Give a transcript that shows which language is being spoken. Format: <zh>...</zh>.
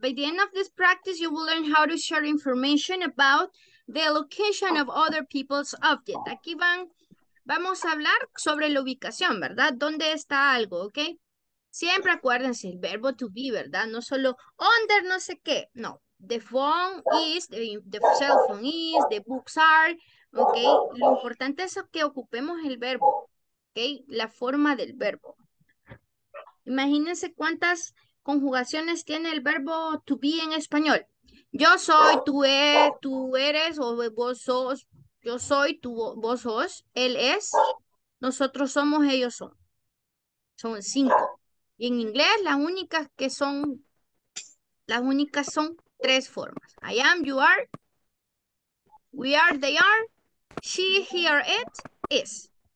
<en>By the end of this practice, you will learn how to share information about the location of other people's objects.</en> <es>Aquí van, vamos a hablar sobre la ubicación, ¿verdad? ¿Dónde está algo, ok? Siempre acuérdense, el verbo to be, ¿verdad? No solo under no sé qué, no.</es> <en>The phone is, the cell phone is, the books are,</en> <es>¿ok? Lo importante es que ocupemos el verbo, ¿ok? La forma del verbo. Imagínense cuántas conjugaciones tiene el verbo to be en español. Yo soy, tú eres, o vos sos, yo soy, tú, vos sos, él es, nosotros somos, ellos son. Son cinco. Y en inglés las únicas son tres formas.</es> <en>I am, you are, we are, they are, she, he, or it, is.</en>